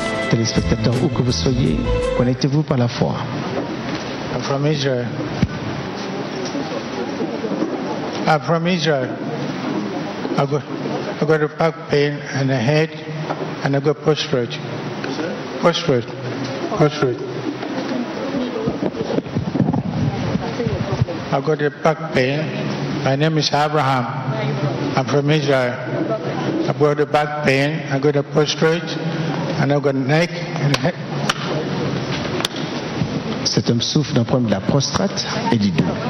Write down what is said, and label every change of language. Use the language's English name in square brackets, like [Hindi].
[French] Téléspectateurs, où que vous soyez, connectez-vous par la foi. [English] I'm from Israel. I got a back pain and a head, and I got prostrate. I've got a back pain. My name is Abraham. I'm from Israel. I've got a back pain. I got a prostrate, and I've got a neck and a head. [French] Cet homme souffre d'un problème de la prostate et du dos.